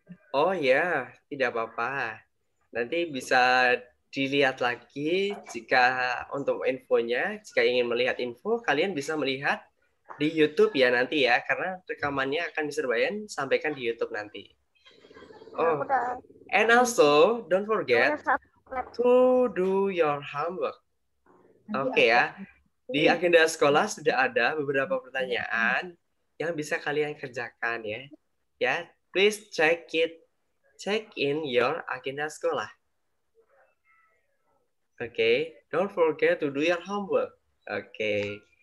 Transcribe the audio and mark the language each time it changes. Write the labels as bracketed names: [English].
[Indonesian] Oh ya, yeah. Tidak apa-apa. Nanti bisa dilihat lagi jika untuk infonya, jika ingin melihat info, kalian bisa melihat di YouTube ya nanti ya, karena rekamannya akan Mister Bayan sampaikan di YouTube nanti. [English] Oh, and also don't forget to do your homework. [Indonesian] Oke okay, ya, di agenda sekolah sudah ada beberapa pertanyaan yang bisa kalian kerjakan ya. Ya, [English] Please check it. Check in your agenda sekolah. Okay. Don't forget to do your homework. Okay.